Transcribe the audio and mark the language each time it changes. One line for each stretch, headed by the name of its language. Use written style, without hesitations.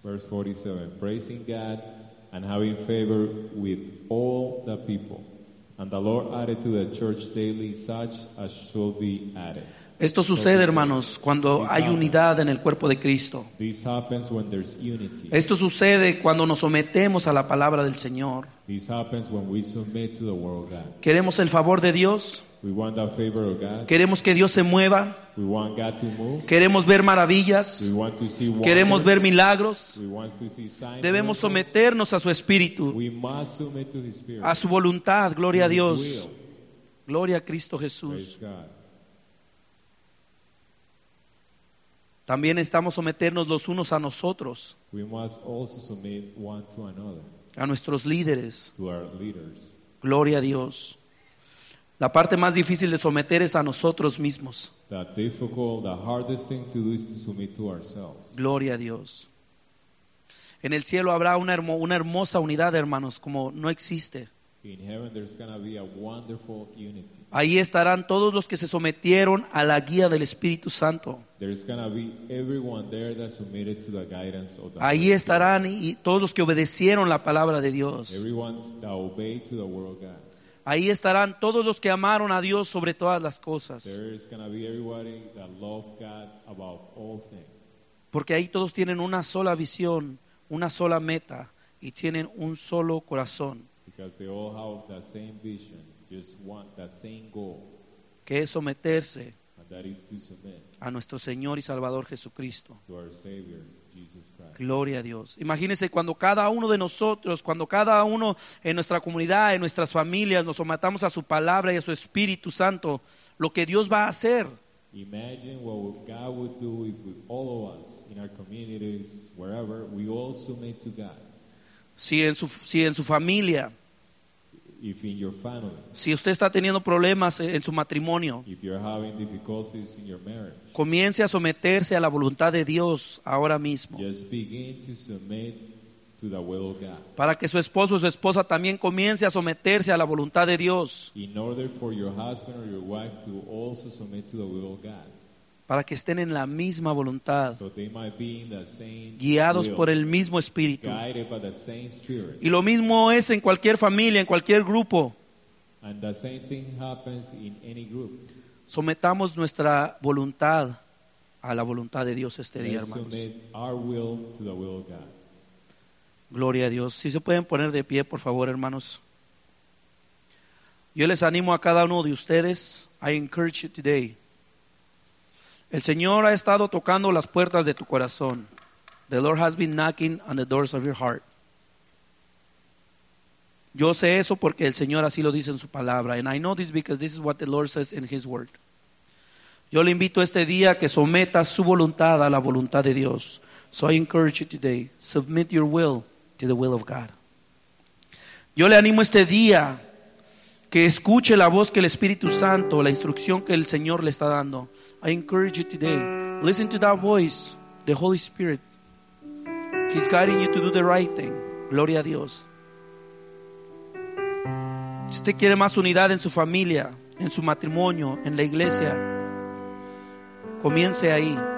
English: Verse 47. Praising God and having favor with all the people. And the Lord added to the church daily such as shall be added.
Spanish: Esto sucede, hermanos, cuando hay unidad en el cuerpo de Cristo.
English: This happens when there's unity.
Spanish: Esto sucede cuando nos sometemos a la palabra del Señor.
English: This happens when we submit to the word of God.
Spanish: Queremos el favor de Dios.
English: We want the favor of God.
Spanish: Queremos que Dios se mueva.
English: We want God to move.
Spanish: Queremos ver maravillas.
English: We want to see wonders.
Spanish: Queremos ver milagros.
English: We want to see signs.
Spanish: Debemos someternos a su espíritu.
English: We must submit to his spirit.
Spanish: A su voluntad, gloria
English: to
Spanish: a Dios.
English: Will.
Spanish: Gloria a Cristo Jesús.
English: Praise God.
Spanish: También estamos someternos los unos a nosotros.
English: We must also submit one to another.
Spanish: A nuestros líderes.
English: To our leaders.
Spanish: Gloria a Dios. La parte más difícil de someter es a nosotros mismos.
English: The difficult, the hardest thing to do is to submit to ourselves.
Spanish: Gloria a Dios. En el cielo habrá una hermosa unidad, hermanos, como no existe.
English: In heaven there's going to be a wonderful unity.
Spanish: Ahí estarán todos los que se sometieron a la guía del Espíritu Santo.
English: There's going to be everyone there that submitted to the guidance of the
Spanish: Ahí
English: Holy
Spanish: estarán y todos los que obedecieron la palabra de Dios.
English: Everyone that obeyed to the word of God.
Spanish: Ahí estarán todos los que amaron a Dios sobre todas las cosas.
English: There's going to be everybody that loved God about all things.
Spanish: Porque ahí todos tienen una sola visión, una sola meta y tienen un solo corazón.
English: Because they all have the same vision, just want the same goal.
Spanish: Que es someterse.
English: And that is to submit.
Spanish: A nuestro Señor y Salvador Jesucristo.
English: To our Savior, Jesus Christ.
Spanish: Gloria a Dios. Imagínese cuando cada uno de nosotros, cuando cada uno en nuestra comunidad, en nuestras familias, nos sometamos a su palabra y a su Espíritu Santo, lo que Dios va a hacer.
English: Imagine what God would do if we, all of us in our communities, wherever, we all submit to God.
Spanish: Si en su familia,
English: if in your family,
Spanish: si usted está teniendo problemas en su matrimonio,
English: if you're having difficulties in your marriage,
Spanish: comience a someterse a la voluntad de Dios ahora mismo.
English: Just begin to submit to the will of God.
Spanish: Para que su esposo o su esposa también comience a someterse a la voluntad de Dios.
English: In order for your husband or your wife to also submit to the will of God.
Spanish: Para que estén en la misma voluntad,
English: so they might be in the same
Spanish: guiados
English: will,
Spanish: por el mismo Espíritu.
English: Guided by the same spirit.
Spanish: Y lo mismo es en cualquier familia, en cualquier grupo.
English: And the same thing happens in any group.
Spanish: Sometamos nuestra voluntad a la voluntad de Dios este día, hermanos.
English: Our will to the will of God.
Spanish: Gloria a Dios. Si se pueden poner de pie, por favor, hermanos. Yo les animo a cada uno de ustedes.
English: I encourage you today.
Spanish: El Señor ha estado tocando las puertas de tu corazón.
English: The Lord has been knocking on the doors of your heart.
Spanish: Yo sé eso porque el Señor así lo dice en su palabra.
English: And I know this because this is what the Lord says in His word.
Spanish: Yo le invito este día a que someta su voluntad a la voluntad de Dios.
English: So I encourage you today, submit your will to the will of God.
Spanish: Yo le animo este día que escuche la voz que el Espíritu Santo, la instrucción que el Señor le está dando.
English: I encourage you today, listen to that voice, the Holy Spirit. He's guiding you to do the right thing.
Spanish: Gloria a Dios. Si usted quiere más unidad en su familia, en su matrimonio, en la iglesia, comience ahí.